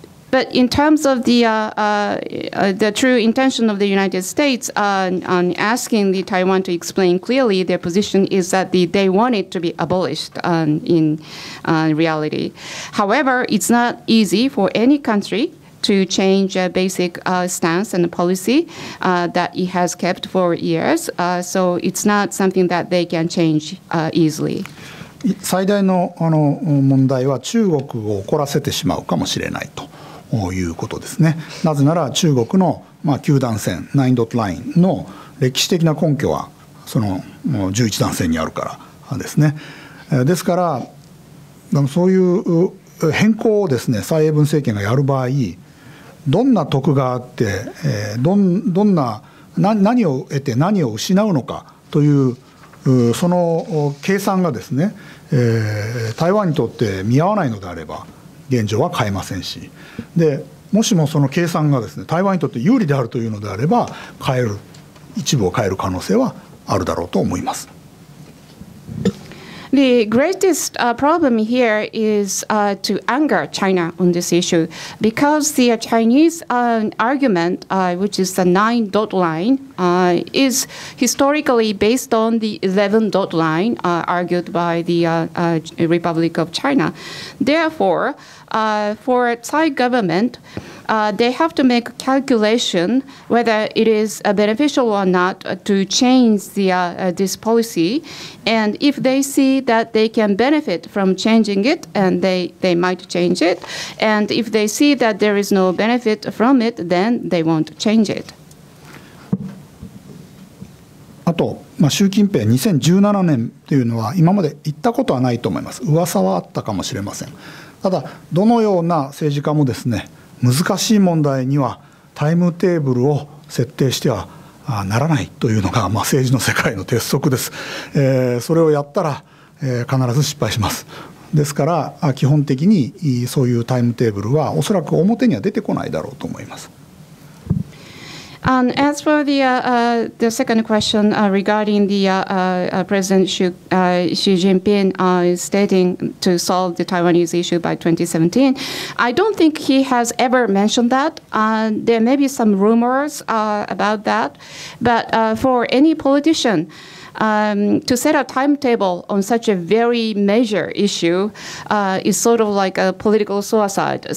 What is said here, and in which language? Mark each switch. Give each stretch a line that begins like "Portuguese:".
English: But in terms of the true intention of the United States on asking the Taiwan to explain clearly their position is that they want it to be abolished in reality. However, it's not easy for any country. To change a basic stance and policy that it has kept for years. So it's not something that they can change easily.
Japanese: 最大の問題は中国を怒らせてしまうかもしれないということですね。なぜなら中国の九段線、ナインドットラインの歴史的な根拠はその11段線にあるからですね。ですから、そういう変更をですね、蔡英文政権がやる場合、どんな得があって、何を得て何を失うのかというその計算がですね、台湾にとって見合わないのであれば現状は変えませんし、でもしもその計算がですね、台湾にとって有利であるというのであれば変える、一部を変える可能性はあるだろうと思います。
English: The greatest problem here is to anger China on this issue because the Chinese argument, which is the nine dot line, is historically based on the 11 dot line argued by the Republic of China. Therefore, for Tsai government,they have to make a calculation whether it is beneficial or not to change this policy. And if they see that they can benefit from changing it, and they might change it. And if they see that there is no benefit from it, then they won't change it.
Japanese: あと、習近平2017年というのは今まで言ったことはないと思います。噂はあったかもしれません。ただ、どのような政治家もですね、難しい問題にはタイムテーブルを設定してはならないというのが、まあ、政治の世界の鉄則です、それをやったら、必ず失敗します。ですから基本的にそういうタイムテーブルはおそらく表には出てこないだろうと思います。
English: As for the second question regarding the President Xi Jinping stating to solve the Taiwanese issue by 2017, I don't think he has ever mentioned that. There may be some rumors about that, but for any politician to set a timetable on such a very major issue is sort of like a political suicide.